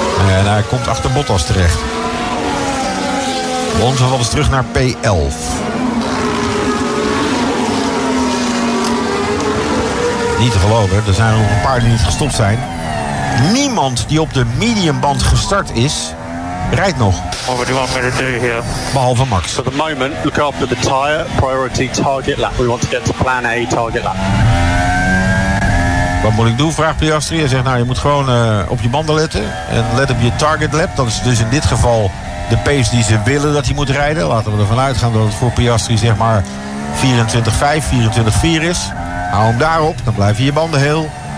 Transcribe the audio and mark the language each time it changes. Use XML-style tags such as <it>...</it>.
<nl>En hij komt achter Bottas terecht. Alonso valt eens terug naar P11. Niet te geloven, er zijn nog een paar die niet gestopt zijn. Niemand die op de mediumband gestart is, rijdt nog.</nl> <en>What would you want me to do here?</en> <nl>Behalve Max.</nl> <en>For the moment, look after the tire, priority target lap. We want to get to plan A target lap.</en> <nl>Wat moet ik doen, vraagt Piastri. Hij zegt, nou, je moet gewoon op je banden letten. En let op je target lap. Dat is dus in dit geval de pace die ze willen dat hij moet rijden. Laten we ervan uitgaan dat het voor Piastri zeg maar 24-5, 24-4 is. Hou hem daarop, dan blijven je banden heel.</nl>